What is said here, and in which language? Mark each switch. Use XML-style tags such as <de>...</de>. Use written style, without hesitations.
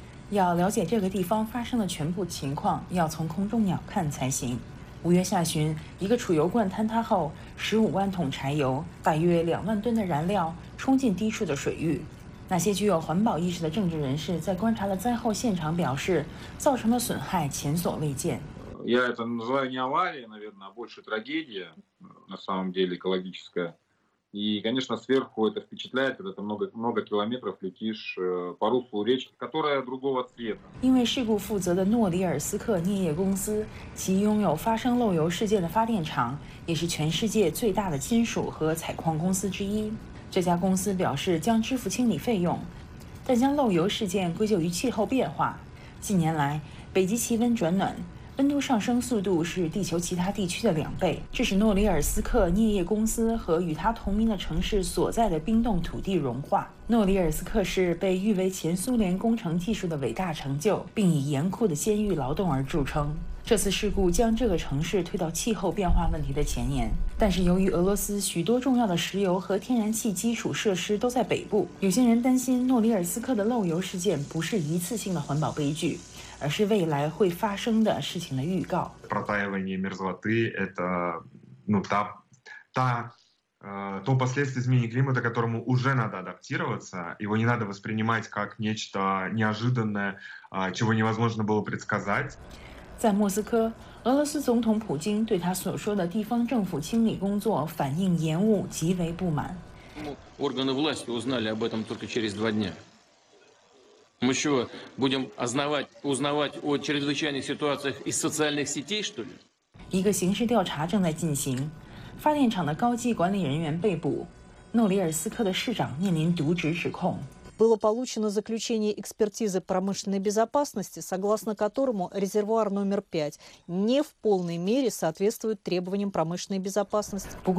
<zh>要了解这个地方发生的全部情况，要从空中鸟瞰才行。五月下旬，一个储油罐坍塌后，15万桶柴油、大约20,000吨的燃料冲进低处的水域。那些具有环保意识的政治人士在观察了灾后现场表示，造成的损害前所未见。</zh> <ru>Я это называю не аварией, наверное, а больше трагедия, на самом деле, экологическая. И, конечно, сверху это впечатляет, когда ты много километров летишь по руслу речки, которая другого цвета.</ru> <zh>因为事故负责的诺里尔斯克镍业公司，其拥有发生漏油事件的发电厂，也是全世界最大的金属和采矿公司之一。这家公司表示将支付清理费用，但将漏油事件归咎于气候变化。近年来，北极气温转暖。温度上升速度是地球其他地区的2倍，这使诺里尔斯克镍业公司和与它同名的城市所在的冰冻土地融化。诺里尔斯克市被誉为前苏联工程技术的伟大成就，并以严酷的监狱劳动而著称。这次事故将这个城市推到气候变化问题的前沿，但是由于俄罗斯许多重要的石油和天然气基础设施都在北部，有些人担心诺里尔斯克的漏油事件不是一次性的环保悲剧，而是未来会发生的事情的预告。</zh> <ru>Протаивание мерзлоты – это, ну, то последствие изменения климата, к которому уже надо адаптироваться, его не надо воспринимать как нечто неожиданное, чего невозможно было предсказать.</ru> <zh>在莫斯科，俄罗斯总统普京对他所说的地方政府清理工作反应延误极为不满。</zh> <ru>Органы власти узнали об этом только через 2 дня. Мы что, будем узнавать о чрезвычайных ситуациях из социальных сетей, что ли?</ru> <zh>一个刑事调查正在进行，发电厂的高级管理人员被捕，诺里尔斯克的市长面临渎职指控。</zh> <ru>Было получено заключение экспертизы промышленной безопасности, согласно которому резервуар номер 5 не в полной мере соответствует требованиям промышленной безопасности.</ru>